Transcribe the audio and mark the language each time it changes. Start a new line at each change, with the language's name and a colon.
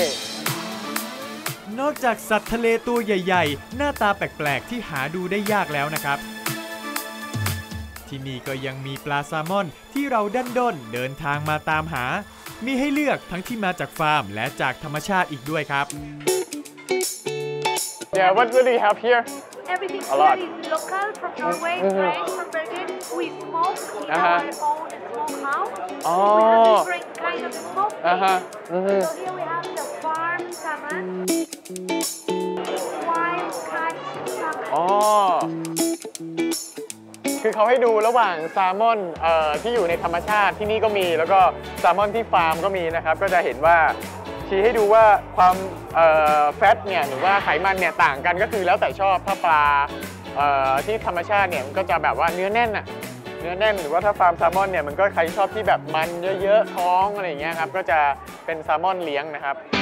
Thai: นอกจากสัตว์ทะเลตัวใหญ่ๆหน้าตาแปลกๆที่หาดูได้ยากแล้วนะครับที่นี่ก็ยังมีปลาแซลมอนที่เราดันด้นเดินทางมาตามหามีให้เลือกทั้งที่มาจากฟาร์มและจากธรรมชาติอีกด้วยครับ
English: Yeah, what do you have here? Everything a here lot. Is local from Norway, fresh from Bergen. We smoke in our own smokehouse. Oh. We have different kind of smoke. So here we have the farm salmon, wild cut salmon. Oh.
Thai: คือเขาให้ดูระหว่างแซลมอนที่อยู่ในธรรมชาติที่นี่ก็มีแล้วก็แซลมอนที่ฟาร์มก็มีนะครับก็จะเห็นว่าชี้ให้ดูว่าความแฟตเนี่ยหรือว่าไขมันเนี่ยต่างกันก็คือแล้วแต่ชอบถ้าปลาที่ธรรมชาติเนี่ยมันก็จะแบบว่าเนื้อแน่นอะเนื้อแน่นหรือว่าถ้าฟาร์มแซลมอนเนี่ยมันก็ใครชอบที่แบบมันเยอะๆท้องอะไรอย่างเงี้ยครับก็จะเป็นแซลมอนเลี้ยงนะครับ